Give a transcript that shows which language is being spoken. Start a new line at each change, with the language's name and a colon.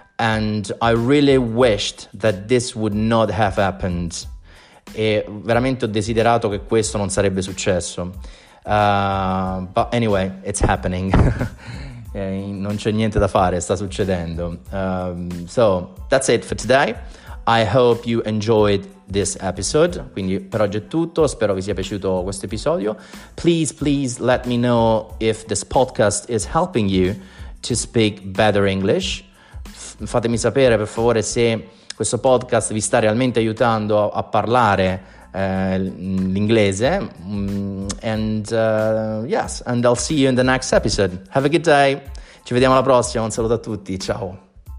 English: And I really wished that this would not have happened.
Italian: E veramente ho desiderato che questo non sarebbe successo.
English: But anyway, it's happening.
Italian: Non c'è niente da fare, sta succedendo.
English: So that's it for today. I hope you enjoyed this episode.
Italian: Quindi per oggi è tutto, spero vi sia piaciuto questo episodio.
English: Please, please let me know if this podcast is helping you to speak better English.
Italian: Fatemi sapere per favore se questo podcast vi sta realmente aiutando a parlare l'inglese.
English: And I'll see you in the next episode. Have a good day.
Italian: Ci vediamo alla prossima. Un saluto a tutti. Ciao.